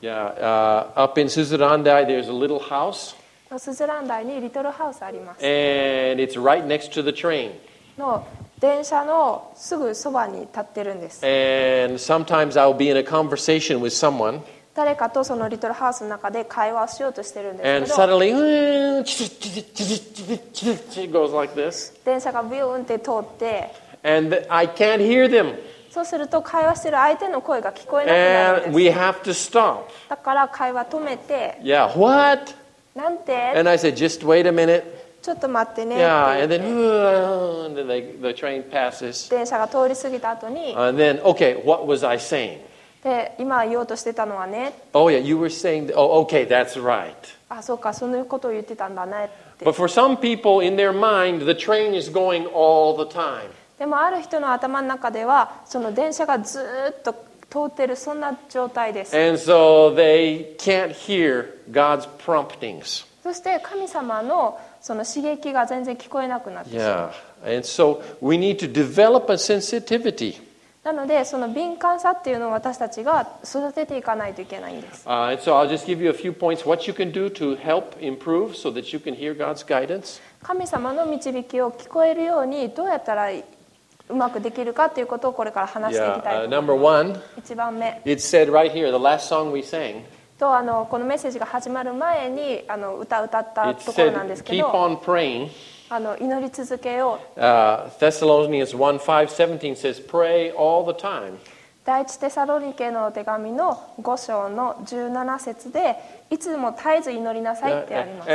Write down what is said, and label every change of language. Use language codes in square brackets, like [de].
[en] Yeah, up in Suzurandai, there's a little house. [ja] Suzurandai にリトルハウスあります。 [en] And it's right next to the train. [ja] の電車のすぐそばに立ってるんです。 [en] And sometimes I'll be in a conversation with someone. [ja] 誰かとそのリトルハウスの中で会話しようとしてるんですけど。 [en] And suddenly, it goes like this. [ja] 電車がビューンって通って。 [en] And I can't hear them. [ja] そうすると会話してる相手の声が聞こえなくなるんです。 [en] And we have to stop. [ja] だから会話止めて。 [en] Yeah, what? [ja] なんて? [en] And I said, just wait a minute. [ja] ちょっと待ってね。 [en] Yeah, and then, and then the train passes. [ja] 電車が通り過ぎた後に。 [en] And then, okay, what was I saying? [ja] で、今言おうとしてたのはね。 [en] Oh yeah, you were saying, okay, that's right. [ja] あ、そうか、そのことを言ってたんだねって。 [en] But for some people in their mind, the train is going all the time. [ja] でもある人の頭の中ではその電車がずっと通ってるそんな状態です。 [en] And so they can't hear God's promptings. [ja] そして神様のその刺激が全然聞こえなくなってしまう。 [en] Yeah. And so we need to develop a sensitivity. [ja] なのでその敏感さっていうのを私たちが育てていかないといけないんです。 [en] And so I'll just give you a few points what you can do to help improve so that you can hear God's guidance. [ja] 神様の導きを聞こえるようにどうやったらうまくできるかということをこれから話していきたいと思います。 [en] Yeah, number one, [ja] 一番目。 [en] It said right here, the last song we sang, [ja] とあのこのメッセージが始まる前にあの歌を歌ったところなんですけど、 [en] It said, keep on praying, [ja] あの祈り続けよう。 [en] Thessalonians 1:5-17 says, pray all the time. [ja] 第一テサロニケの手紙の5章の17節でいつも絶えず祈りなさいってあります。